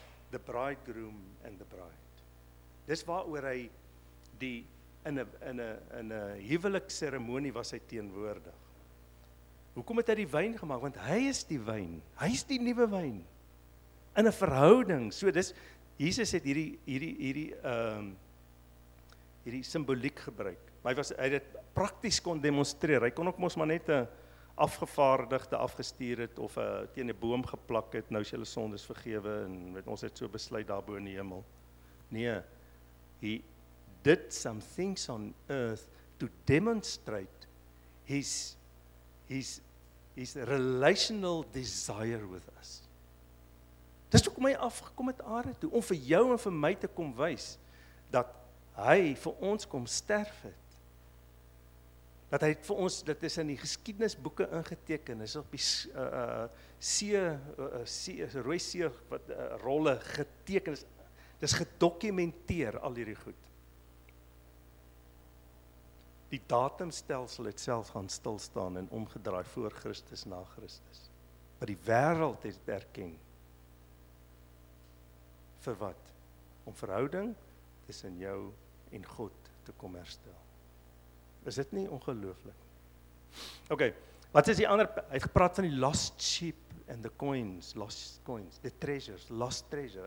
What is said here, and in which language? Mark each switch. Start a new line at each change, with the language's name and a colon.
English: The bridegroom and the bride.
Afrikaans: Dis waaroor hy die In 'n huwelik seremonie was hy teenwoordig. Hoekom het hy die wyn gemaak? Want hy is die wyn. Hy is die nuwe wyn. In 'n verhouding. So dis, Jesus het hierdie simboliek gebruik. Hy het dit prakties kon demonstreer. Hy kon ook mos maar net 'n afgevaardigde afgestuur het of 'n teen 'n boom geplak het. Nou is julle sondes vergewe en met ons het so besluit daarbo in die hemel. Nee, hy
English: did some things on earth to demonstrate his relational desire with us.
Afrikaans: Dis hoekom hy afgekom het aarde toe, om vir jou en vir my te kom wys dat hy vir ons kom sterf het. Dat hy vir ons, dit is in die geskiedenisboeke ingeteken, is op die rooi see wat rolle geteken is. Dis gedokumenteer al hierdie goed. Die datumstelsel het self gaan stilstaan en omgedraai voor Christus na Christus. Maar die wêreld het dit erken. Vir wat? Om verhouding tussen jou en God te kom herstel. Is dit nie ongelooflik? Okay, wat is die ander? Hy het gepraat van die
English: lost sheep and the coins, lost coins, the treasures, lost treasure.